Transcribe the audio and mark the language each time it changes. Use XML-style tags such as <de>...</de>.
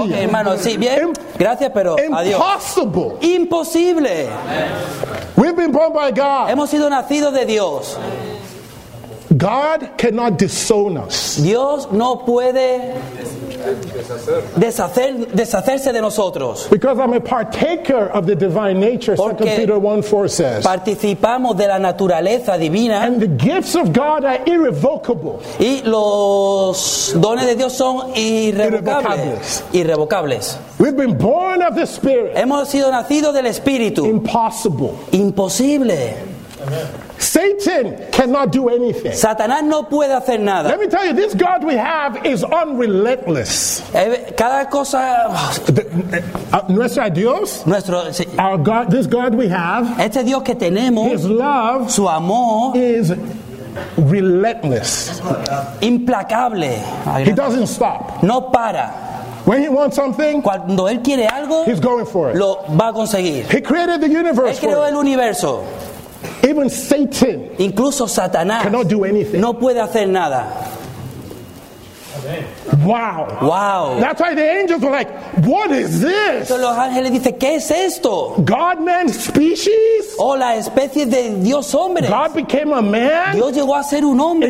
<es>okay, hermano, sí, bien. Gracias, pero</es> <en>impossible.</en> <es>Adiós.</es> <en>Impossible.</en> <es>Imposible.</es> <en>We been born by God.</en> <es>Hemos sido nacidos de Dios.</es> <en>God cannot disown us.</en> <es>Dios no puede deshacerse de nosotros.</es> <en>Because I'm a partaker of the divine nature, 2 Peter 1:4 says.</en> <es>Participamos de la naturaleza divina.</es> <en>And the gifts of God are irrevocable.</en> <es>Y los dones de Dios son irrevocables.</es> <en>We've been born of the Spirit.</en> <es>Hemos sido nacidos del Espíritu.</es> <en>Impossible.</en> <es>Imposible.</es> <en>Satan cannot do anything.</en> <es>Satanás no puede hacer nada.</es> <en>Let me tell you, this God we have is unrelentless.</en> <es>Cada cosa. Nuestro Dios. Nuestro. Sí.</es> <en>Our God, this God we have.</en> <es>Este Dios que tenemos.</es> <en>His love.</en> <es>Su amor.</es> <en>Is relentless.</en> <es>Implacable.</es> <en>He doesn't stop.</en> <es>No para.</es> <en>When he wants something,</en> <es>cuando él quiere algo,</es> <en>he's going for it.</en> <es>Lo va a conseguir.</es> <en>He created the universe.</en> <es>Él creó</es> <en>for</en> <es>el universo.</es> <en>Even Satan,</en> <es>incluso Satanás,</es> <en>cannot do anything.</en> <es>No puede hacer nada. Wow. Wow.</es> <en>That's why the angels were like, "What is this?"</en> <es>Entonces los ángeles dicen, ¿qué es esto?</es> <en>God man species?</en> <es>O la especie de Dios hombre.</es> <en>God became a man?</en> <es>Dios llegó a ser un hombre.</es>